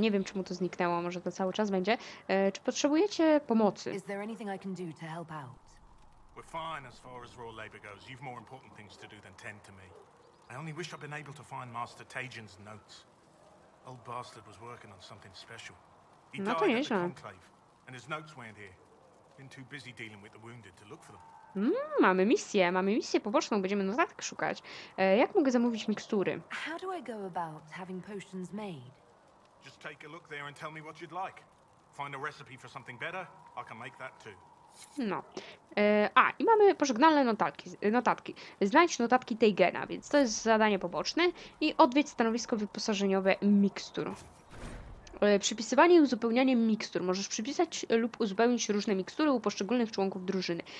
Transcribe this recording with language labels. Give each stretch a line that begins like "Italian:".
Polish: Nie wiem, czemu to zniknęło. Może to cały czas będzie. Czy potrzebujecie pomocy?
English: Is there anything I can do to help out? We're fine as far as raw labor goes. You've more important things to do than tend to me. I only wish I'd been able to find Master Tajin's notes. Old bastard was working on something special. He died at the conclave, and his notes weren't here. Been too busy dealing with the wounded to look for them.
Polish: Mamy misję poboczną, będziemy notatek szukać. Jak mogę zamówić mikstury?
English: How do I go about having potions made? Just take a look there and tell me what you'd like. Find a recipe for something better, I can make that too. No.
Polish: I mamy pożegnalne notatki. Znajdź notatki Tajgena, więc to jest zadanie poboczne. I odwiedź stanowisko wyposażeniowe mikstur. Przypisywanie i uzupełnianie mikstur. Możesz przypisać lub uzupełnić różne mikstury u poszczególnych członków drużyny.